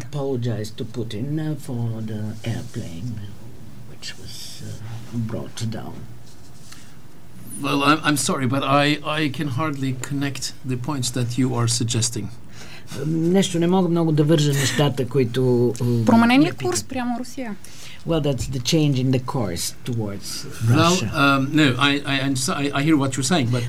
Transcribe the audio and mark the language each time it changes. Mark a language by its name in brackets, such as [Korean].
[English] Apologize to Putin for the airplane which was brought down. Well, I'm sorry, but I can hardly connect the points that you are suggesting. [Bulgarian] Нещо не мога много да вържа нещата, които... Променен ли курс прямо Русия? [English] Well, that's the change in the course towards Russia. Well, no, I hear what you're saying, but...